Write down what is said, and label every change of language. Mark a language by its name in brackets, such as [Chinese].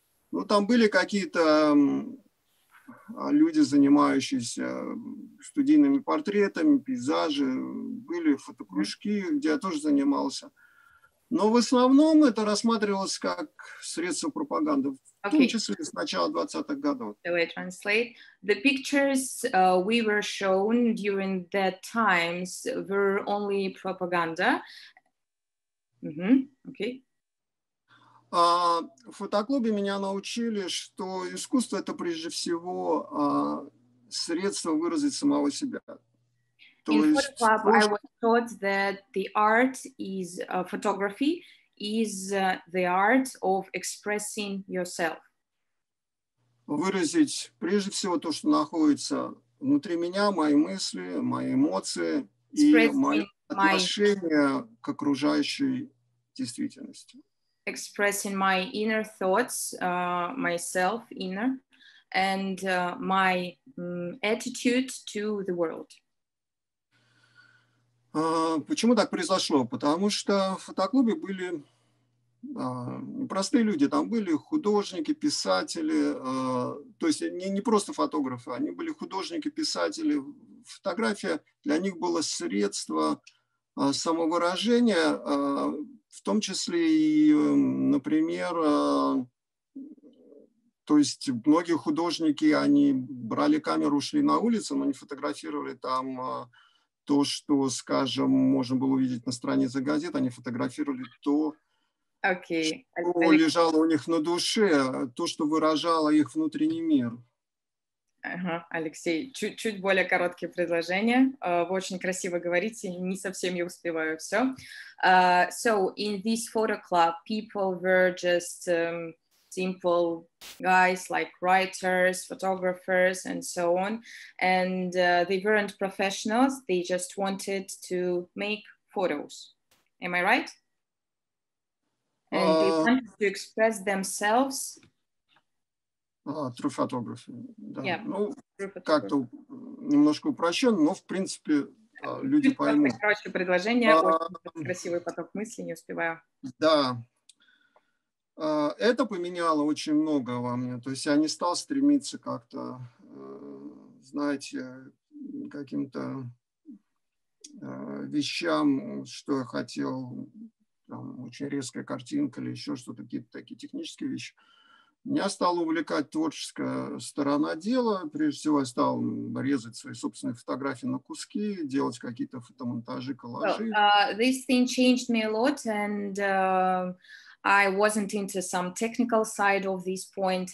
[Russian] Но там были какие-то люди, занимающиеся студийными портретами, пейзажи, были фотокружки, где я тоже занимался. Но в основном это рассматривалось как средство пропаганды, в том числе с начала 20-х годов. [English] So I translate. The pictures we were shown during that times were only propaganda. [Russian] В фотоклубе меня научили, что искусство это прежде всего средство выразить самого себя. [English] In photoclub, I was taught that the art is photography is the art of expressing yourself. [Russian] Выразить прежде всего то, что находится внутри меня, мои мысли, мои эмоции и мои отношения к окружающей действительности. [English] Expressing my inner thoughts, myself inner, and my attitude to the world. [Russian] Почему так произошло? Потому что в фотоклубе были непростые люди. Там были художники, писатели, то есть не просто фотографы, они были художники, писатели. Фотография для них была средство самовыражения, в том числе и, например, то есть многие художники, они брали камеру, шли на улицу, но не фотографировали там... то, что, скажем, можно было увидеть на странице газет, они фотографировали то, что лежало у них на душе, то, что выражало их внутренний мир. Алексей, чуть-чуть более короткие предложения. Вы очень красиво говорите, не совсем я успеваю все. [English] So, in this photo club, people were just simple guys like writers, photographers, and so on. And they weren't professionals. They just wanted to make photos. Am I right? And they wanted to express themselves. Through photography. [Russian] Да. [English] Yeah. [Russian] Ну, как-то немножко упрощен, но, в принципе, люди поймут. Короче, предложение. Очень красивый поток мыслей, не успеваю. Да. Это поменяло очень много во мне. То есть я не стал стремиться как-то, знаете, каким-то вещам, что я хотел, там, очень резкая картинка или еще что-то, какие-то такие технические вещи. Меня стала увлекать творческая сторона дела. Прежде всего, я стал резать свои собственные фотографии на куски, делать какие-то фотомонтажи, коллажи. [English] So, this thing changed me a lot, and I wasn't into some technical side of this point.